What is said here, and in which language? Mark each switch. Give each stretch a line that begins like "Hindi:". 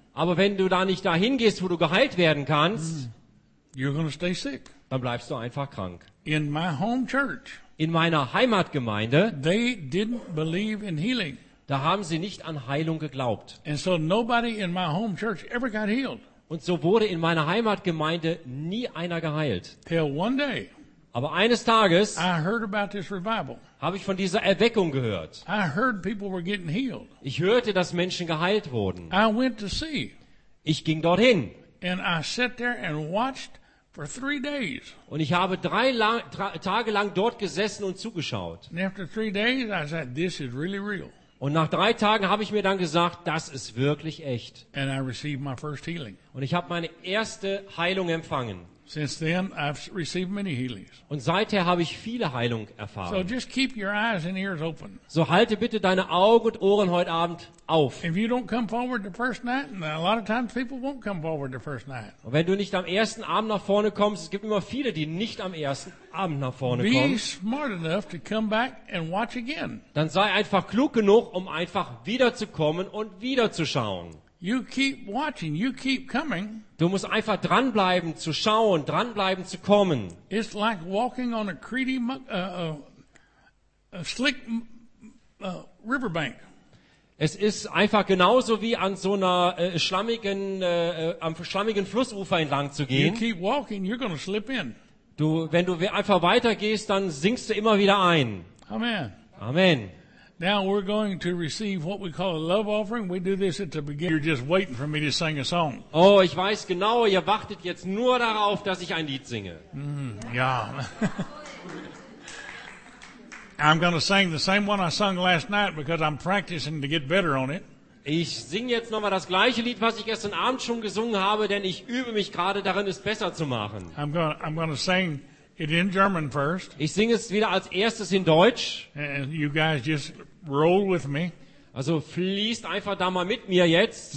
German: Aber wenn du da nicht dahin gehst, wo du geheilt werden kannst,
English: you're gonna stay sick.
German: Dann bleibst du einfach krank.
English: In my home church,
German: in meiner Heimatgemeinde,
English: they didn't believe in healing.
German: Da haben sie nicht an Heilung geglaubt.
English: And so nobody in my home church ever got healed.
German: Und so wurde in meiner Heimatgemeinde nie einer geheilt.
English: Till one day,
German: aber eines Tages
English: I heard about this revival.
German: Habe ich von dieser Erweckung gehört.
English: I heard people were getting healed.
German: Ich hörte, dass Menschen geheilt wurden.
English: I went to see.
German: Ich ging dorthin.
English: And I sat there and watched for 3 days.
German: Und ich habe 3 Tage lang dort gesessen und zugeschaut.
English: And after 3 days, I said, this is really real.
German: Und nach 3 Tagen habe ich mir dann gesagt, das ist wirklich echt.
English: And I received my first healing.
German: Und ich habe meine erste Heilung empfangen.
English: Since then, I've received many healings.
German: Und seither habe ich viele Heilung erfahren.
English: So, just keep your eyes and ears open.
German: So halte bitte deine Augen und Ohren heute Abend auf.
English: If you don't come forward the first night, and a lot of times people won't come forward the first night.
German: Und wenn du nicht am ersten Abend nach vorne kommst, es gibt immer viele, die nicht am ersten Abend nach vorne
English: Be
German: kommen.
English: Be smart enough to come back and watch again.
German: Dann sei einfach klug genug, um einfach wiederzukommen und wiederzuschauen.
English: You keep watching, you keep coming.
German: Du musst einfach dranbleiben zu schauen, dranbleiben zu kommen.
English: It's like walking on a creaky, slick riverbank.
German: Es ist einfach genauso wie an so einer schlammigen Flussufer entlang zu gehen.
English: You keep walking, you're gonna slip in.
German: Du, wenn du einfach weitergehst, dann sinkst du immer wieder ein.
English: Amen.
German: Amen.
English: Now we're going to receive what we call a love offering. We do this at the beginning. You're just waiting for me to sing a song.
German: Oh, ich weiß genau, ihr wartet jetzt nur darauf, dass ich ein Lied singe. Ja.
English: I'm going to sing the same one I sung last night because I'm practicing to get better on it.
German: Ich singe jetzt nochmal das gleiche Lied, was ich gestern Abend schon gesungen habe, denn ich übe mich gerade darin, es besser zu machen.
English: I'm going to sing it in German first.
German: Ich singe es wieder als erstes in Deutsch.
English: And you guys just roll with me.
German: Also fließt einfach da mal mit mir jetzt.